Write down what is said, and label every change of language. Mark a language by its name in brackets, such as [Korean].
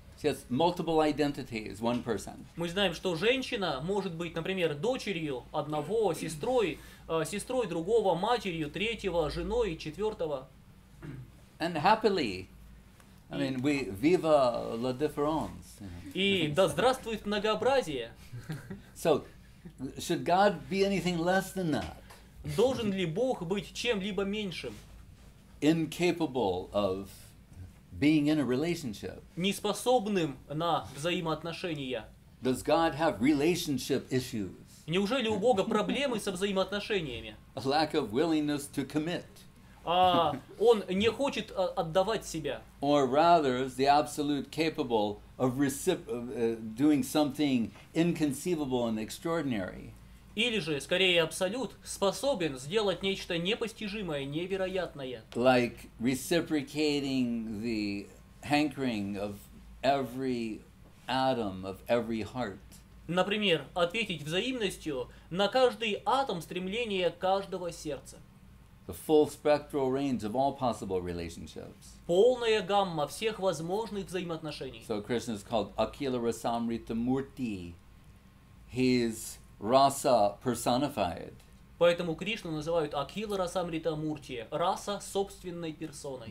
[English] She has multiple identities, one person. [Russian] Мы знаем, что женщина может быть, например, дочерью одного, сестрой, сестрой другого, матерью третьего, женой четвертого. [English] And happily, I mean, we viva la difference. [Russian] И да здравствует многообразие. [English] So, should God be anything less than that? [Russian] Должен ли Бог быть чем-либо меньшим? [English] Incapable of being in a relationship. [Russian] Неспособным на взаимоотношения. [English] Does God have relationship issues? [Russian] Неужели у Бога проблемы со взаимоотношениями? [English] A lack of willingness to commit. [Russian] Он не хочет отдавать себя. [English] Or rather, is the absolute capable of doing something inconceivable and extraordinary. [Russian] Или же, скорее, абсолют способен сделать нечто непостижимое, невероятное. [English] Like reciprocating the hankering of every atom of every heart. [Russian] Например, ответить взаимностью на каждый атом стремления каждого сердца. [English] The full spectral range of all possible relationships. [Russian] Полная гамма всех возможных взаимоотношений. [English] So Krishna is called Akila Rasamrita Murti. He's rasa personified. [Russian] Поэтому Кришну называют Акила Расамрита Мурти, раса собственной персоной.